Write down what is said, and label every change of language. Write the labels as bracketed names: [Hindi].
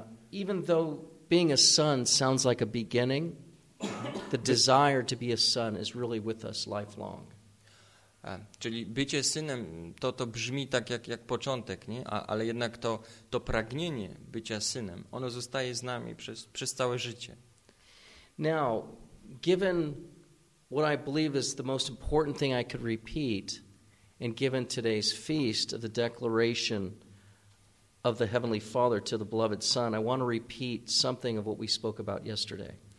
[English] Even though being a son sounds like a beginning, the desire to be a son is really with us lifelong. [Polish] Czyli bycie synem to brzmi tak jak początek, nie? Ale jednak to pragnienie bycia synem, ono zostaje z nami przez całe życie. [English] Now, given what I believe is the most important thing I could repeat, and given today's feast of the declaration of the Heavenly Father to the beloved Son, I want to repeat something of what we spoke about yesterday.